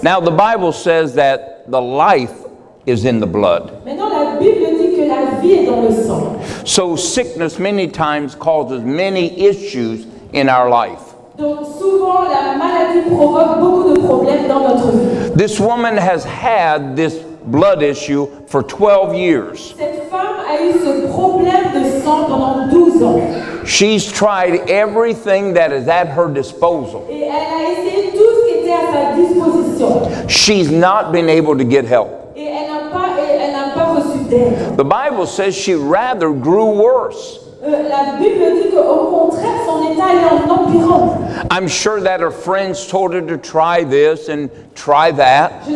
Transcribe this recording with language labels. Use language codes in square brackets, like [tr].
[en] Now the Bible says that the life is in the blood. [fr] Maintenant, la Bible dit que la vie est dans le sang. [en] So sickness many times causes many issues in our life. [fr] Donc, souvent, la maladie provoque beaucoup de problèmes dans notre vie. [en] This woman has had this blood issue for 12 years. [fr] Cette femme a eu ce problème de sang pendant 12 ans. [en] She's tried everything that is at her disposal. [fr] Et elle a essayé tout ce qui était à sa disposition. [en] She's not been able to get help. [fr] Et elle n'a pas reçu d'aide. [en] The Bible says she rather grew worse. [fr] La Bible dit que, au contraire, son état est en empirant. [en] I'm sure that her friends told her to try this and try that.